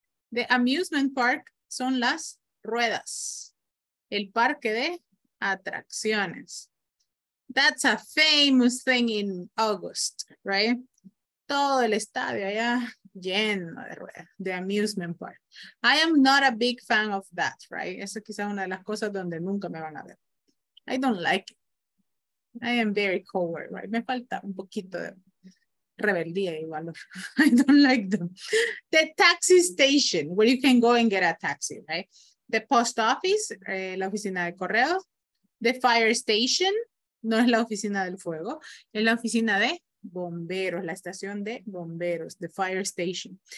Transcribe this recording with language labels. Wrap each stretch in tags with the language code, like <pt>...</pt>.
<en>The amusement park</en> <es>son las ruedas. El parque de atracciones.</es> <en>That's a famous thing in August, right?</en> <es>Todo el estadio allá lleno de ruedas,</es> <en>the amusement park. I am not a big fan of that, right?</en> <es>Eso quizá una de las cosas donde nunca me van a ver.</es> <en>I don't like it. I am very coward, right?</en> <es>Me falta un poquito de rebeldía y valor.</es> <en>I don't like them. The taxi station, where you can go and get a taxi, right? The post office,</en> <es>la oficina de correos.</es> <en>The fire station,</en> <es>no es la oficina del fuego, es la oficina de bomberos, la estación de bomberos,</es> <en>the fire station.</en>